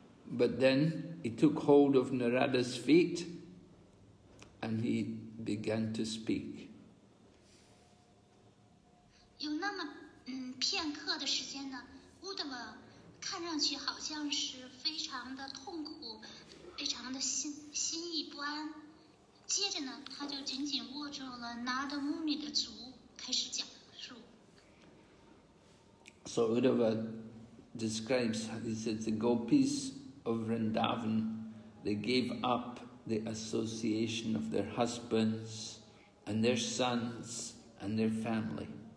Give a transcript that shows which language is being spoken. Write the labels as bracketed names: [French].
[English] But then he took hold of Narada's feet and he began to speak. [Chinese] 有那么片刻的时间呢，乌德瓦看上去好像是非常的痛苦，非常的心意不安。接着呢，他就紧紧握住了拿达穆女的足，开始讲述。 [English] So Uddhava describes, he says, the gopis of Vrindavan, they gave up the association of their husbands and their sons and their family.